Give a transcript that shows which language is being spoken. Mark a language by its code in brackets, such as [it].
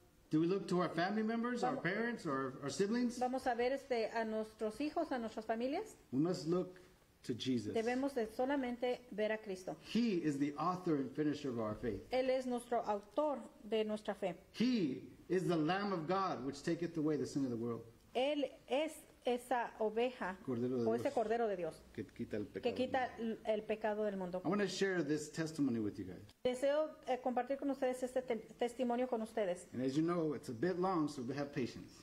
[en] Do we look to our family members, our parents, or our siblings? [es] Vamos a ver a nuestros hijos, a nuestras familias. [en] We must look to Jesus. [es] Debemos de solamente ver a Cristo. [en] He is the author and finisher of our faith. [es] Él es nuestro autor de nuestra fe. [en] He is the Lamb of God, which taketh away the sin of the world. [es] Él es esa oveja o ese cordero de Dios que quita el pecado del mundo. [en] I want to share this testimony with you guys. [es] Deseo compartir con ustedes este testimonio con ustedes. [en] And as you know, it's a bit long, so have patience.